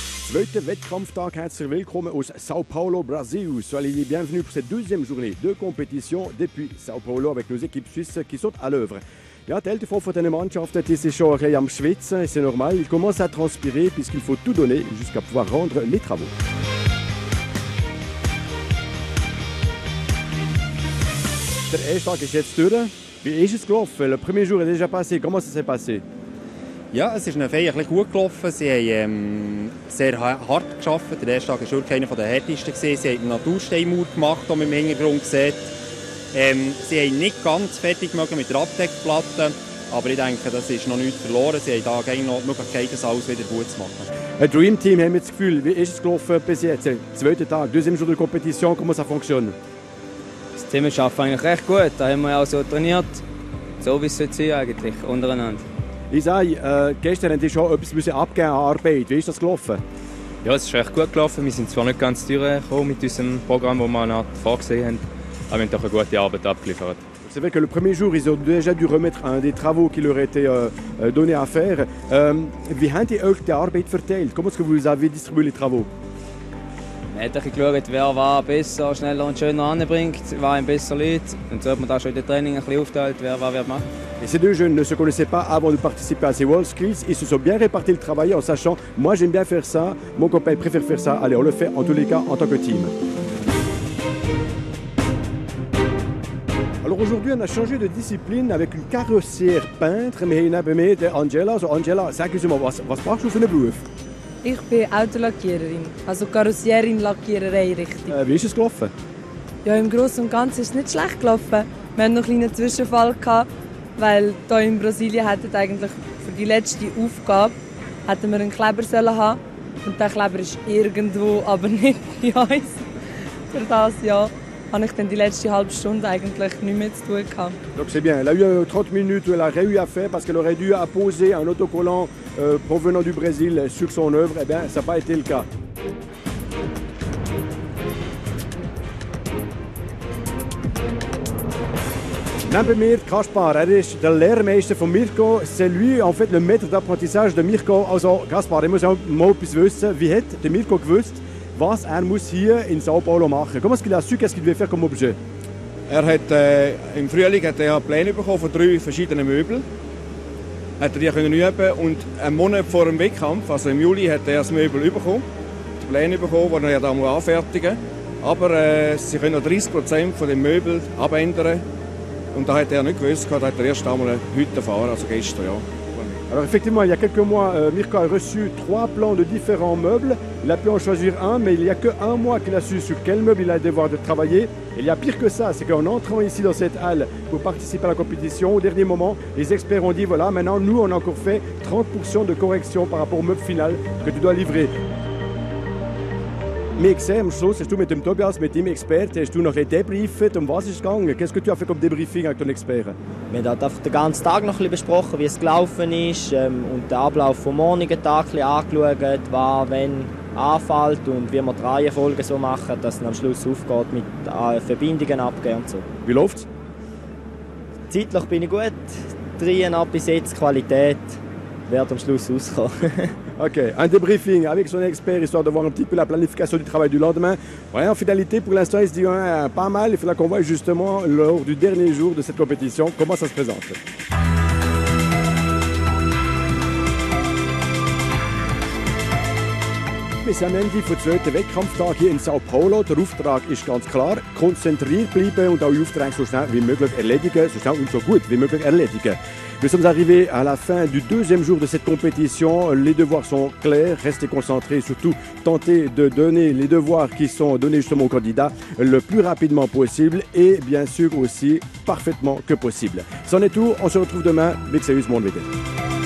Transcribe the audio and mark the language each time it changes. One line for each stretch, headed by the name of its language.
German: Zweiter Wettkampftag, herzlich willkommen aus Sao Paulo, Brasil.
French: Soyez les bienvenus pour cette deuxième journée de compétition depuis Sao Paulo avec nos équipes suisses qui sont à l'œuvre.
German: Ja, die Hälfte von diesen Mannschaften ist schon ein bisschen am Schwitzen.
French: C'est normal, ils commencent à transpirer puisqu'il faut tout donner jusqu'à pouvoir rendre les travaux.
German: Der erste Tag ist jetzt durch. Wie ist es gelaufen?
French: Le premier jour est déjà passé. Comment ça s'est passé?
German: Ja, es ist ihnen ein bisschen gut gelaufen. Sie haben sehr hart gearbeitet. Der erste Tag war wirklich einer der härtesten. Sie haben einen Natursteinmauer gemacht, den man im Hintergrund sieht. Sie haben nicht ganz fertig gemacht mit der Abdeckplatte. Aber ich denke, das ist noch nichts verloren. Sie haben da gerne noch die Möglichkeit, das alles wieder gut zu machen. Ein Dream Team, haben wir das Gefühl. Wie ist es gelaufen bis jetzt? Zweiter Tag,
French: deuxième jour de compétition. Comment ça fonctionne?
German: Das Team arbeitet eigentlich recht gut. Da haben wir auch so trainiert. So wie es sollte sein eigentlich, untereinander. Isai, gestern haben Sie schon etwas müssen abgeben an Arbeit. Wie ist das gelaufen? Ja, es ist recht gut gelaufen. Wir sind zwar nicht ganz durchgekommen mit unserem Programm, das wir noch vorgesehen haben, aber wir haben doch eine gute Arbeit abgeliefert.
French: Vous savez que le premier jour, ils ont déjà dû remettre un des travaux qui leur étaient donnés à faire.
German: Wie haben die euch die Arbeit verteilt?
French: Comment est-ce que vous avez distribué les travaux?
German: Man hat ein bisschen geschaut, wer war besser, schneller und schöner anbringt, wer ihm besser liegt. Und so hat man da schon in den Training ein bisschen aufgeteilt, wer was wird machen.
French: Et ces deux jeunes ne se connaissaient pas avant de participer à ces World Skills. Ils se sont bien répartis le travail en sachant « Moi, j'aime bien faire ça. Mon copain préfère faire ça. Allez, on le fait en tous les cas en tant que team. » Alors aujourd'hui, on a changé de discipline avec une carrossière peintre. Mais on a bemerkt, Angela.
German: Also Angela, sag-moi, was machst du für einen Beruf? Ich bin Autolackiererin, also Karossierin-Lackiererei, richtig. Wie ist es gelaufen? Ja, im Großen und Ganzen ist es nicht schlecht gelaufen. Wir hatten noch einen kleinen Zwischenfall gehabt. Weil hier in Brasilien hätten eigentlich für die letzte Aufgabe hätten wir einen Kleber sollen haben. Und der Kleber ist irgendwo, aber nicht bei uns. Für das, ja, habe ich dann die letzte halbe Stunde eigentlich nicht mehr zu tun gehabt.
French: Donc c'est bien. Elle a eu 30 Minuten, elle a réussi à faire, parce qu'elle aurait dû apposer un autocollant provenant du Brésil sur son œuvre. Eh bien, ça n'a pas été le cas.
German: Neben mir Kaspar, er ist der Lehrmeister von Mirko.
French: C'est lui, en fait, le maître d'apprentissage de Mirko.
German: Also, Kaspar, ich muss auch mal etwas wissen. Wie hat der Mirko gewusst, was er muss hier in Sao Paulo machen?
French: Comment est-ce qu'il a su, qu'est-ce qu'il devait faire comme objet?
German: Er hat im Frühling hat er Pläne bekommen von 3 verschiedenen Möbeln. Hat er die können üben. Und einen Monat vor dem Wettkampf, also im Juli, hat er das Möbel bekommen. Die Pläne bekommen, die er da muss anfertigen. Aber sie können noch 30% von dem Möbel abändern. Und da hat er nicht gewusst, da hat er erst einmal heute erfahren, also gestern, ja.
French: Alors effectivement, il y a quelques mois, Mirko a reçu 3 plans de différents meubles. Il a pu en choisir un, mais il y a que un mois qu'il a su sur quel meuble il a le devoir de travailler. Et il y a pire que ça, c'est qu'en entrant ici dans cette halle pour participer à la compétition, au dernier moment, les experts ont dit, voilà, maintenant, nous, on a encore fait 30% de correction par rapport au meuble final que tu dois livrer.
German: Mixer, am Schluss hast du mit dem Tobias, mit dem Experten, hast du noch ein debriefet, um was ist es gegangen?
French: Qu'est-ce que tu as fait comme debriefing avec ton Experten?
German: Wir haben den ganzen Tag noch ein besprochen, wie es gelaufen ist, und den Ablauf vom morgigen Tag angeschaut, was, wenn anfällt und wie wir die Reihenfolge so machen, dass es am Schluss aufgeht mit Verbindungen abgeben und so. Wie läuft's? Zeitlich bin ich gut. Dreieinhalb bis jetzt Qualität wird am Schluss rauskommen.
French: Ok, un débriefing avec son expert, histoire de voir un petit peu la planification du travail du lendemain. Ouais, en finalité, pour l'instant, il se dit pas mal, il faudra qu'on voit justement lors du dernier jour de cette compétition comment ça se présente. Wir sind am Ende des zweiten Wettkampftag hier in Sao Paulo. Der Auftrag ist ganz klar: konzentriert bleiben und eure Aufträge so schnell wie möglich erledigen, so schnell und so gut wie möglich erledigen. Nous sommes arrivés à la fin du deuxième jour de cette compétition. Les devoirs sont clairs. Restez concentrés, surtout tentez de donner les devoirs qui sont donnés justement au candidat le plus rapidement possible et bien sûr aussi parfaitement que possible. C'en est tout. On se retrouve demain. Big Serious Monde VTL.